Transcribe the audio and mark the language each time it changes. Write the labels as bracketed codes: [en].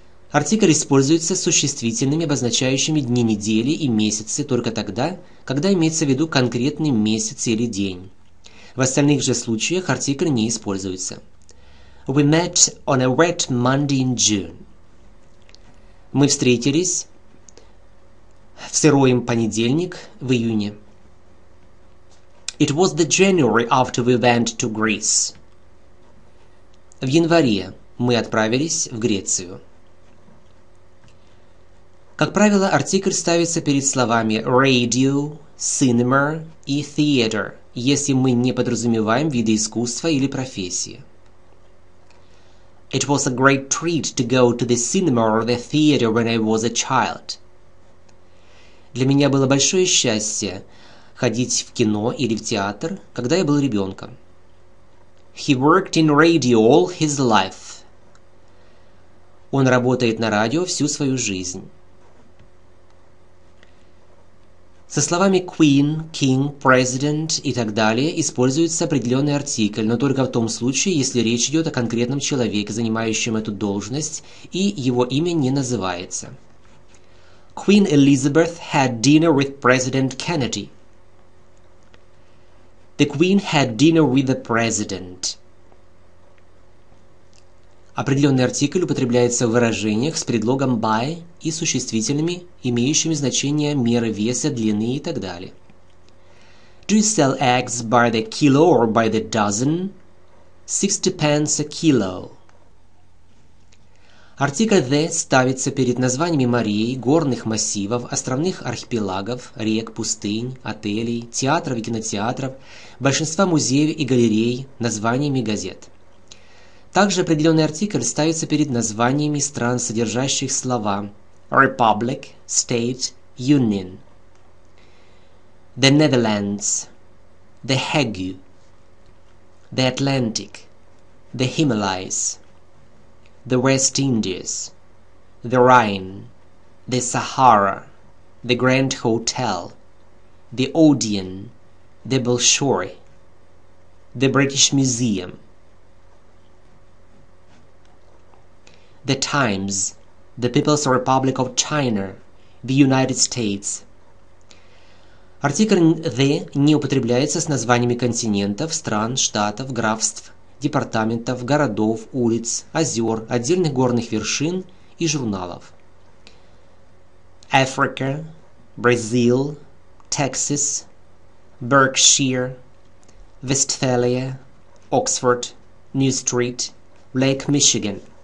[ru] Артикль используется с существительными, обозначающими дни недели и месяцы только тогда, когда имеется в виду конкретный месяц или день. В остальных же случаях артикль не используется. [en] We met on a wet Monday in June. [ru] Мы встретились в сырой понедельник в июне. [en] It was the January after we went to Greece. [ru] В январе мы отправились в Грецию. Как правило, артикль ставится перед словами radio, cinema и theater, если мы не подразумеваем виды искусства или профессии. [en] It was a great treat to go to the cinema or the theater when I was a child. [ru] Для меня было большое счастье ходить в кино или в театр, когда я был ребенком. [en] He worked in radio all his life. [ru] Он работает на радио всю свою жизнь. Со словами queen, king, president и так далее используется определенный артикль, но только в том случае, если речь идет о конкретном человеке, занимающем эту должность, и его имя не называется. [en] Queen Elizabeth had dinner with President Kennedy. The Queen had dinner with the President. [ru] Определенный артикль употребляется в выражениях с предлогом by и существительными, имеющими значение меры веса, длины и так далее. [en] Do you sell eggs by the kilo or by the dozen? 60 pence a kilo. [ru] Артикль the ставится перед названиями морей, горных массивов, островных архипелагов, рек, пустынь, отелей, театров и кинотеатров, большинства музеев и галерей, названиями газет. Также определенный артикль ставится перед названиями стран, содержащих слова [en] Republic, State, Union. The Netherlands, the Hague, the Atlantic, the Himalayas, the West Indies, the Rhine, the Sahara, the Grand Hotel, the Odeon, the Bolshoi, the British Museum, the Times, the People's Republic of China, the United States. [ru] Артикль «the» не употребляется с названиями континентов, стран, штатов, графств, департаментов, городов, улиц, озер, отдельных горных вершин и журналов. [en] Africa, Brazil, Texas, Berkshire, Westphalia, Oxford, New Street, Lake Michigan.